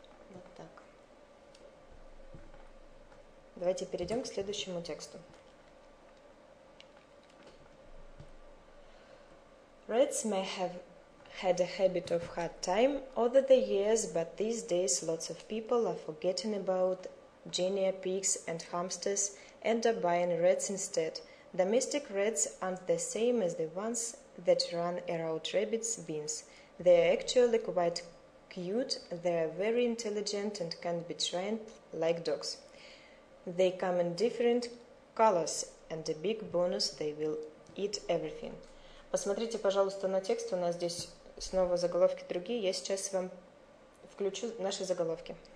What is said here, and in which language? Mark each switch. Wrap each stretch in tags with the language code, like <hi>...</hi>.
<ru>Вот так. Давайте перейдем к следующему тексту.</ru> <en>Rats may have had a habit of hard time over the years, but these days lots of people are forgetting about guinea pigs and hamsters and are buying rats instead. Domestic rats aren't the same as the ones that run around rabbits' bins. They're actually quite cute, they're very intelligent and can be trained like dogs. They come in different colors, and a big bonus, they will eat everything.</en> <ru>Посмотрите, пожалуйста, на текст, у нас здесь снова заголовки другие. Я сейчас вам включу наши заголовки.</ru>